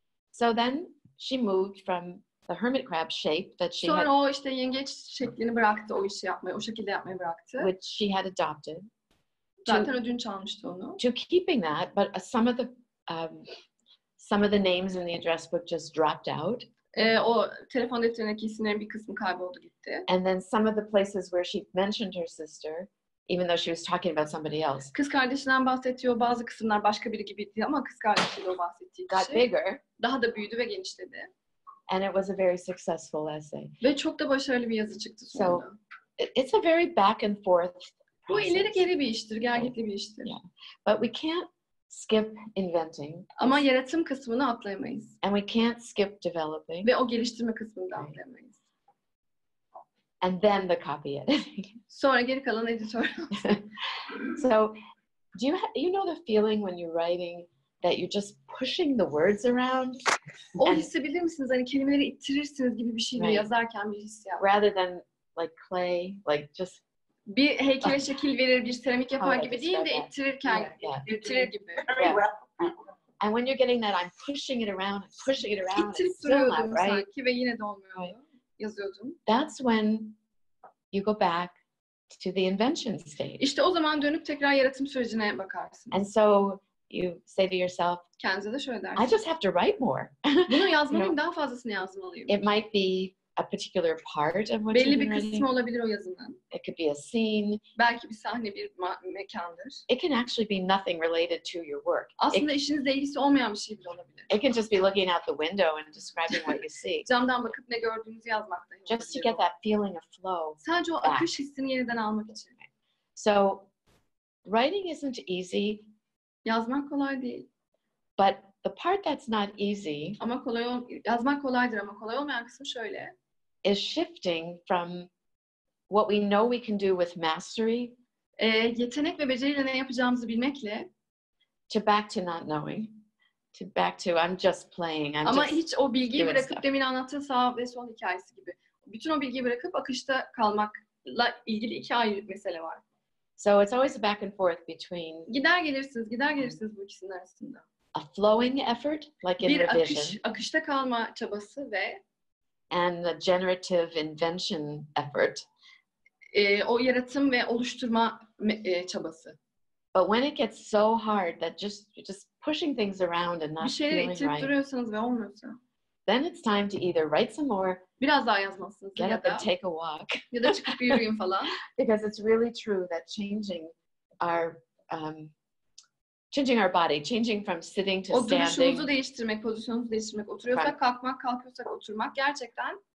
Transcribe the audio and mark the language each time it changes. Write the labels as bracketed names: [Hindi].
[English] So then she moved from the hermit crab shape that she [Turkish] sonra [English] had. [Turkish] Sonra o işte yengeç şeklini bıraktı o işi yapmayı, o şekilde yapmayı bıraktı. [English] Which she had adopted. [Turkish] Zaten ödün çalmıştı onu. [English] To keeping that, but some of the names in the address book just dropped out. [Turkish] O telefon defterindeki isimlerin bir kısmı kayboldu gitti. [English] And then some of the places where she mentioned her sister. Even though she was talking about somebody else. [Turkish] Kız kardeşinden bahsediyor. Bazı kısımlar başka biri gibiydi ama kız kardeşiyle bahsettiği kişi. [English] Got bigger. [Turkish] Daha da büyüdü ve genişledi. [English] And it was a very successful essay. [Turkish] Ve çok da başarılı bir yazı çıktı sonunda. [English] So, it's a very back and forth [Turkish] process. Bu ileri geri bir iştir, gelgitli bir iştir. [English] Yeah. But we can't skip inventing. [Turkish] Ama yaratım kısmını atlayamayız. [English] And we can't skip developing. [Turkish] Ve o geliştirme kısmını da atlayamayız. [English] And then the copy editing. [Turkish] Sonra geri kalan editör. [English] So, do you you know the feeling when you're writing that you're just pushing the words around? [Turkish] O hissedebilir misiniz? Hani kelimeleri ittirirsiniz gibi bir şey mi yazarken bir hissiyat? [English] Rather than like clay, like just [Turkish] bir heykele şekil verir, bir seramik yapar gibi değil de ittirirken ittirir gibi. [English] And when you're getting that, I'm pushing it around, pushing it around. [Turkish] İttirip duruyordum sanki ve yine de olmuyor. Yazıyordum. [English] That's when you go back to the invention stage. [Turkish] İşte o zaman dönüp tekrar yaratım sürecine bakarsın. [English] And so you say to yourself, [Turkish] kendinize de şöyle dersin. [English] I just have to write more. [Turkish] Bunu yazmalıyım, you know, daha fazlasını yazmalıyım. [English] It might be a particular part of what [Turkish] belli [English] you're writing. [Turkish] Belli bir kısmı olabilir o yazının. [English] It could be a scene. [Turkish] Belki bir sahne, bir mekandır. [English] It can actually be nothing related to your work. [Turkish] Aslında işinizle ilgisi olmayan bir şey bile olabilir. [English] It can just be looking out the window and describing what you see. [Turkish] Camdan bakıp ne gördüğünüzü yazmak da. [English] Just to get that feeling of flow. [Turkish] Sadece o akış hissini yeniden almak için. [English] So, writing isn't easy. [Turkish] Yazmak kolay değil. [English] But the part that's not easy. [Turkish] Ama kolay yazmak kolaydır ama kolay olmayan kısım şöyle. [English] Is shifting from what we know we can do with mastery. [Turkish] Yetenek ve beceriyle ne yapacağımızı bilmekle. [English] To back to not knowing. To back to I'm just playing. I'm [Turkish] ama [English] just [Turkish] hiç o bilgiyi bırakıp stuff. Demin anlattığı sağ ve sol hikayesi gibi. Bütün o bilgiyi bırakıp akışta kalmakla ilgili iki ayrı mesele var. [English] So it's always a back and forth between. [Turkish] Gider gelirsiniz bu ikisinin arasında. [English] A flowing effort, like in [Turkish] bir [English] revision. [Turkish] Bir akışta kalma çabası ve [English] and the generative invention effort. [Turkish] O yaratım ve oluşturma çabası. [English] But when it gets so hard that just pushing things around and not [Turkish] bir şeyleri itip duruyorsanız ve olmuyorsa. [English] Then it's time to either write some more. [Turkish] Biraz daha yazmalısınız. [English] Get up and take a walk. [Turkish] Ya da çıkıp bir yürüyün falan. [English] Because it's really true that changing our changing our body, changing from sitting to standing. [Turkish] O duruşumuzu değiştirmek, pozisyonumuzu değiştirmek, oturuyorsak kalkmak, kalkıyorsak oturmak gerçekten